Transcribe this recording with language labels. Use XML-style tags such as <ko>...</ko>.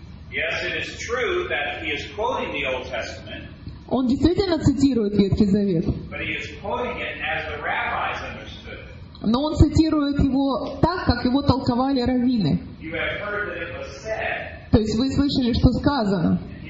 <en>Yes, it is true that he is quoting the Old Testament.</en> <ru>Он действительно цитирует Ветхий Завет.</ru> <en>But he is quoting it as the rabbis understood.</en> <ru>Но он цитирует его так, как его толковали раввины.</ru> <en>You have heard that it was said.</en> <ru>То есть вы слышали, что сказано.</ru>